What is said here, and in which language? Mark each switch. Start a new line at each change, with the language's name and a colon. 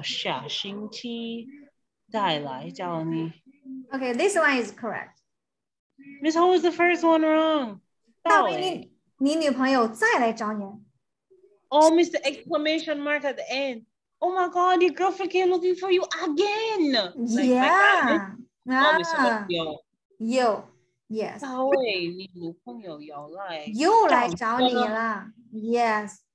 Chinese: 你女朋友说下星期再来叫你.
English: Okay, this one is correct. Miss Ho is the first one wrong.
Chinese: 大卫，你女朋友再来找你。
English: Oh, Miss, the exclamation mark at the end. Oh my God, your girlfriend came looking for you again. Like, yeah. Ah. Yo. Yes.
Chinese: 大卫，你女朋友要来。又来找你了。
English: Yes.